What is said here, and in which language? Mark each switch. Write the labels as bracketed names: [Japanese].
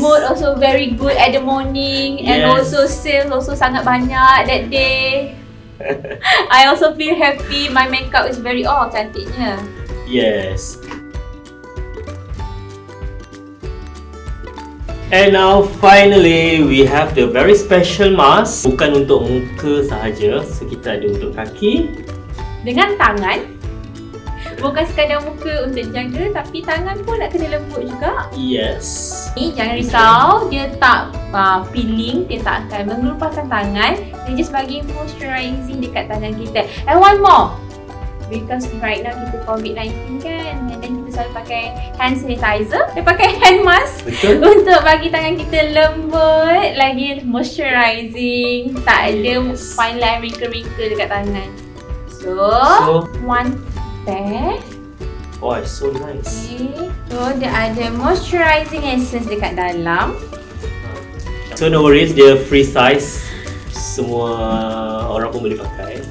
[English] Mood also very good at the morning. Yes. And also sales also [Malay] sangat banyak [English] that day. I also feel happy, my makeup is very all cantiknya. Yes. And now finally we have the very special mask. [Malay] Bukan untuk muka sahaja, so kita ada untuk kaki dengan tangan. Bukan sekadar muka untuk jaga, tapi tangan pun nak kena lembut juga. Yes. Ni jangan risau, dia tak peeling, dia tak akan mengelupaskan tangan. Dia just bagi moisturizing dekat tangan kita. [English] And one more, because right now [Malay] kita COVID-19 kan, selalu pakai hand sanitizer, dia pakai hand mask. Betul. Untuk bagi tangan kita lembut, lagi moisturizing, tak yes. ada fine line wrinkle-wrinkle dekat tangan. [English] So, one pair. Oh, it's so nice. [Malay] Okay. So, dia ada moisturizing essence dekat dalam. So, [English] no worries, [Malay] dia free size. Semua orang pun boleh pakai.